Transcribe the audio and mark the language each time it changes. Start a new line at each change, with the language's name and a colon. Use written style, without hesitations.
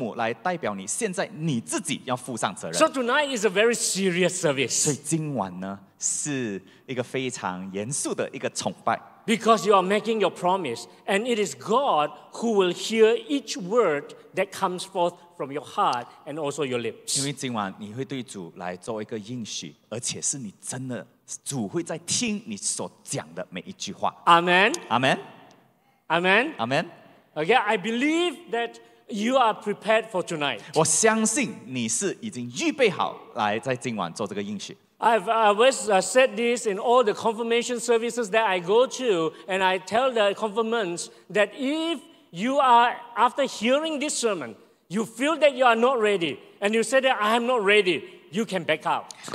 Chinese: 换句话说，之前是代父拜母或者父母来代表你，现在你自己要负上责任。
English: So tonight is a very serious service.
Chinese: 所以今晚呢，是一个非常严肃的一个崇拜。
English: Because you are making your promise, and it is God who will hear each word that comes forth from your heart and also your lips.
Chinese: 因为今晚你会对主来做一个应许，而且是你真的，主会在听你所讲的每一句话。Amen.
English: Amen. Amen. Amen. Okay, I believe that you are prepared for tonight.
Chinese: 我相信你是已经预备好来在今晚做这个应许。
English: I've always said this in all the confirmation services that I go to, and I tell the confirmants that if you are, after hearing this sermon, you feel that you are not ready, and you say that I am not ready, you can back out.